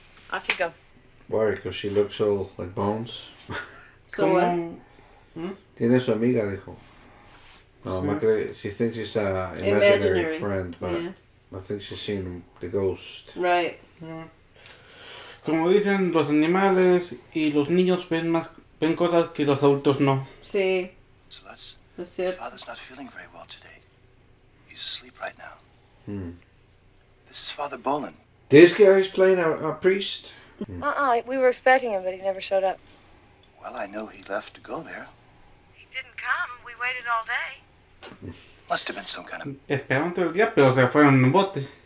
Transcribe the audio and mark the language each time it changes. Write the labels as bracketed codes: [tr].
[en] Off you go. Why? Because she looks all like bones. So what? [es] Tiene su amiga, dijo. No, mm-hmm. [en] She thinks she's an imaginary friend, but yeah. I think she's seen the ghost. Right. Yeah. [es] Como dicen, los animales y los niños ven más ven cosas que los adultos no. Sí. [en] So that's it. Father's not feeling very well today. He's asleep right now. Hmm. This is Father Bolin. This guy's playing a priest? We were expecting him, but he never showed up. Well, I know he left to go there. He didn't come. We waited all day. Must have been some kind of... [es] Esperaron todo el día, pero se fueron en un bote.